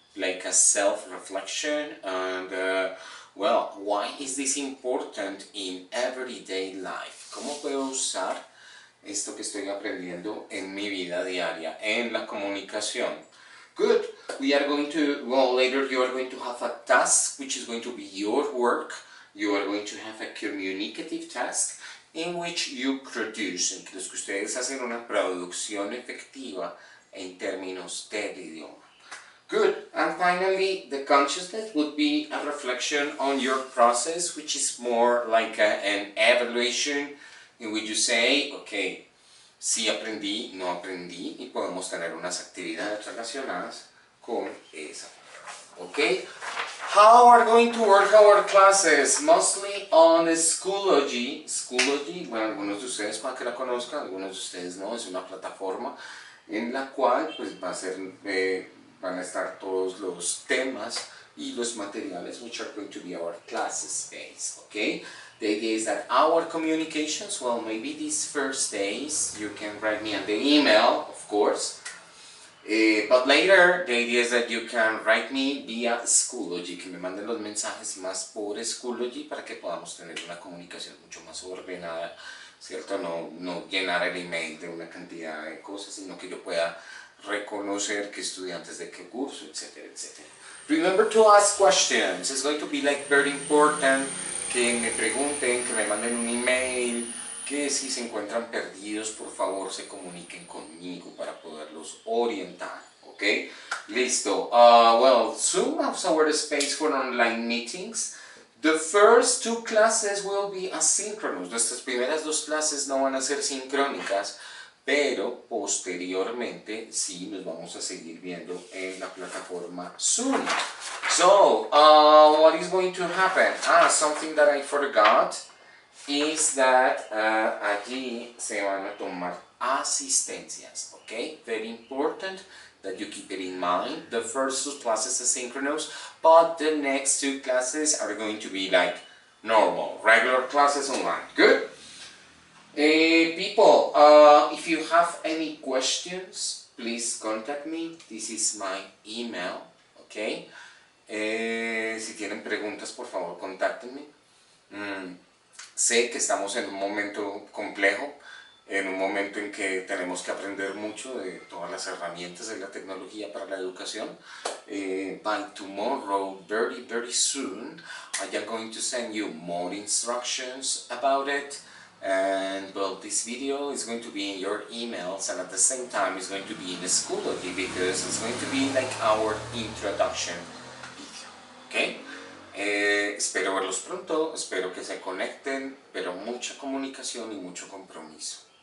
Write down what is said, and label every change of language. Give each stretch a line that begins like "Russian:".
English: Like a self-reflection and, well, why is this important in everyday life?
Spanish: ¿Cómo puedo usar esto que estoy aprendiendo en mi vida diaria, en la comunicación?
English: Good. We are going to, well, later you are going to have a task which is going to be your work. You are going to have a communicative task in which you produce.
Spanish: Entonces, que ustedes hacen una producción efectiva en términos del idioma.
English: Good. And finally, the consciousness would be a reflection on your process, which is more like an evaluation in which you say, okay, si aprendí, no aprendí, y podemos tener unas actividades relacionadas con esa. Okay? How are going to work our classes? Mostly on Schoology.
Spanish: Schoology, bueno, algunos de ustedes para que la conozcan, algunos de ustedes no, es una plataforma en la cual pues va a ser, van a estar todos los temas y los materiales which are going to be our classes space. Okay?
English: The idea is that our communications, well, maybe these first days, you can write me on the email, of course. But later, the idea is that you can write me via Schoology,
Spanish: que me manden los mensajes más por Schoology para que podamos tener una comunicación mucho más ordenada, ¿cierto? No llenar el email de una cantidad de cosas, sino que yo pueda reconocer qué estudiantes de qué curso, etc., etc. Remember to ask questions. It's going to be like very important que me pregunten, que me manden un email, que si se encuentran perdidos, por favor, se comuniquen conmigo para poderlos orientar, ¿ok? Listo.
English: Well, Zoom has our space for online meetings. The first two classes will be asynchronous.
Spanish: Nuestras primeras dos clases no van a ser sincrónicas, pero posteriormente sí nos vamos a seguir viendo en la plataforma Zoom.
English: So, what is going to happen? Ah, something that I forgot.
Spanish: Is that allí se van a tomar asistencias, okay?
English: Very important that you keep it in mind. The first two classes are synchronous, but the next two classes are going to be like normal, regular classes online. Good. People, if you have any questions, please contact me. This is my email, okay?
Spanish: Si tienen preguntas, por favor, contáctenme. Sé que estamos en un momento complejo, en un momento en que tenemos que aprender mucho de todas las herramientas de la tecnología para la educación.
English: By tomorrow, very, very soon, I am going to send you more instructions about it. And, well, this video is going to be in your emails and at the same time it's going to be in the Schoology because it's going to be like our introduction video, okay?
Spanish: Espero verlos pronto, espero que se conecten, pero mucha comunicación y mucho compromiso.